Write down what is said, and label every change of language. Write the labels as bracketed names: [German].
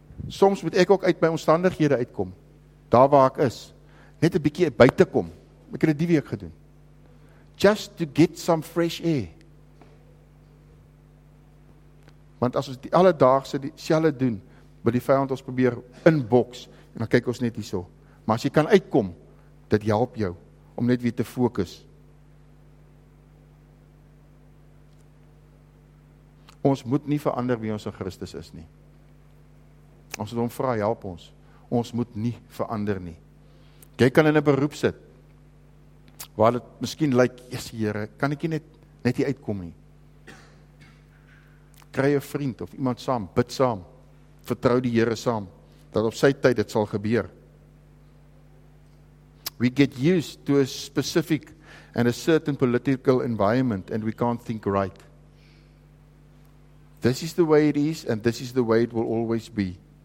[Afrikaans] Soms moet ek ook uit my omstandighede uitkom. Daar waar ek is. Net 'n bietjie buite kom. Ek het dit die week gedoen. [English] Just to get some fresh air. [Afrikaans] Want as ons die alledaagse dieselfde doen, wil die vyand ons probeer inboks, en dan kyk ons net hierso. Maar as jy kan uitkom, dit help jou om net weer te fokus. Ons moet nie verander wie ons in Christus is nie. Ons moet hom vra, help ons. Ons moet nie verander nie. Jy kan in 'n beroep sit, waar dit miskien lyk, Jesus Here, kan ek net hier uitkom nie. Kry 'n vriend of iemand saam, bid saam, vertrou die Here saam, dat op sy tyd dit sal gebeur. [English] We get used to a specific and a certain political environment and we can't think right. This is the way it is and this is the way it will always be.